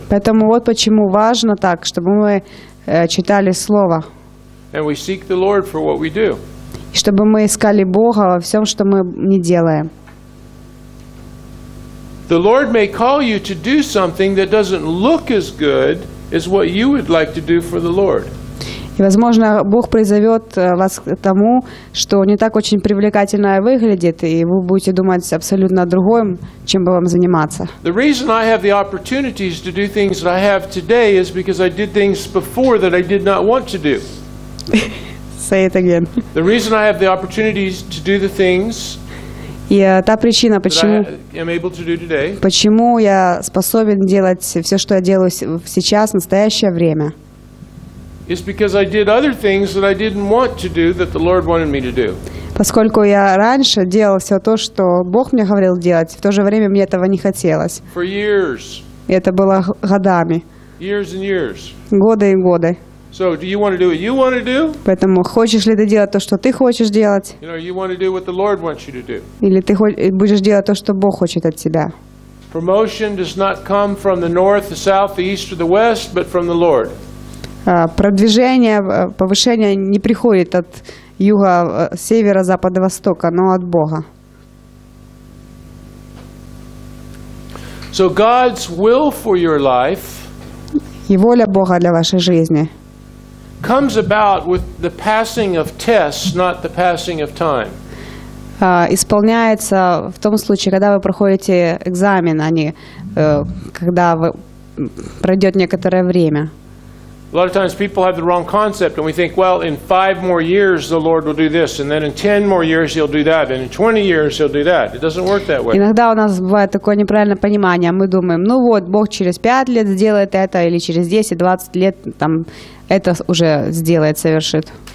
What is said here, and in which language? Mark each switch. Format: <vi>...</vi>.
<ru>Поэтому вот почему важно так, чтобы мы читали Слово.</ru> <en>And we seek the Lord for what we do.</en> <ru>И чтобы мы искали Бога во всем, что мы не делаем.</ru> <en>The Lord may call you to do something that doesn't look as good as what you would like to do for the Lord.</en> <ru>И возможно, Бог призовет вас к тому, что не так очень привлекательно выглядит, и вы будете думать абсолютно другим, чем бы вам заниматься.</ru> <en>The reason I have the opportunities to do things that I have today is because I did things before that I did not want to do. Say it again. The reason I have the opportunities to do the things.</en> <ru>И та причина, почему я способен делать все, что я делаю сейчас, в настоящее время.</ru> <en>It's because I did other things that I didn't want to do that the Lord wanted me to do.</en> <ru>Поскольку я раньше делал все то, что Бог мне говорил делать, в то же время мне этого не хотелось.</ru> <en>For years.</en> <ru>И это было годами.</ru> <en>Years and years.</en> <ru>Годы и годы.</ru> <en>So, do you want to do what you want to do?</en> <ru>Поэтому хочешь ли ты делать то, что ты хочешь делать?</ru> <en>You know, you want to do what the Lord wants you to do.</en> <ru>Или ты будешь делать то, что Бог хочет от тебя?</ru> <en>Promotion does not come from the north, the south, the east, or the west, but from the Lord.</en> <ru>Продвижение, повышение не приходит от юга, севера, запада, востока, но от Бога.</ru> <en>So God's will for your life.</en> <ru>И воля Бога для вашей жизни.</ru> <en>Comes about with the passing of tests, not the passing of time.</en> <ru>Исполняется в том случае, когда вы проходите экзамен, а не когда пройдет некоторое время.</ru> <en>A lot of times people have the wrong concept, and we think, well, in 5 more years the Lord will do this, and then in 10 more years He'll do that, and in 20 years He'll do that. It doesn't work that way.</en> <ru>Иногда у нас бывает такое неправильное понимание. Мы думаем, ну вот, Бог через 5 лет сделает это, или через 10-20 лет там это уже сделает, совершит.</ru>